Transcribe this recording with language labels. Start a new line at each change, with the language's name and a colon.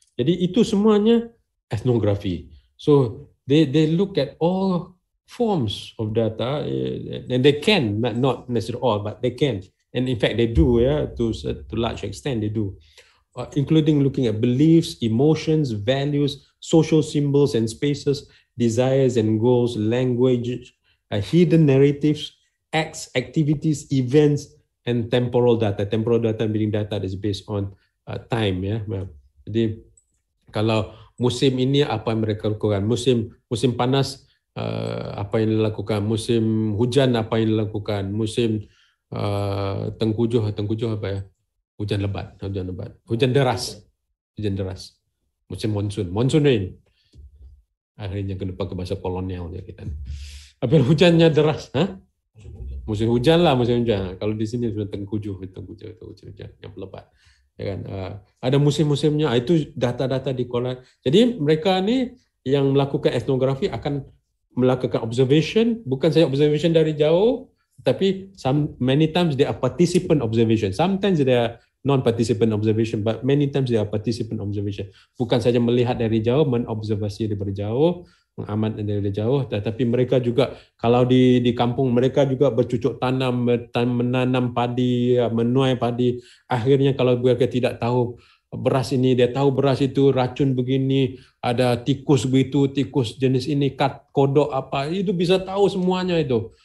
Malay: Jadi itu semuanya etnografi.
English: So they look at all forms of data, and they can, not necessarily all, but they can, and in fact they do, yeah, to large extent they do, including looking at beliefs, emotions, values, social symbols and spaces, desires and goals, language, hidden narratives, acts, activities, events, and temporal data. Temporal data meaning data that is based on time. Yeah.
Malay: Jadi kalau musim ini apa yang mereka lakukan? Musim panas apa yang dilakukan? Musim hujan apa yang dilakukan? Musim tengkujuh apa ya? Hujan lebat. Hujan deras. Musim monsun rain. Akhirnya kena pakai bahasa kolonial je kita. Apabila hujannya deras, ha? Musim hujan. Kalau di sini sudah tengkujuh hujan yang lebat. Ya kan? Ada musim-musimnya, itu data-data di kolon. Jadi mereka ni yang melakukan etnografi akan melakukan observation, bukan saja observation dari jauh, tapi
English: many times they are participant observation. Sometimes they are non-participant observation, but many times they are participant observation.
Malay: Bukan saja melihat dari jauh, menobservasi dari jauh, mengamat dari jauh, tetapi mereka juga, kalau di kampung, mereka juga bercucuk tanam, menanam padi, menuai padi. Akhirnya kalau mereka tidak tahu beras ini, dia tahu beras itu racun begini, ada tikus begitu, tikus jenis ini, kodok apa, itu bisa tahu semuanya itu.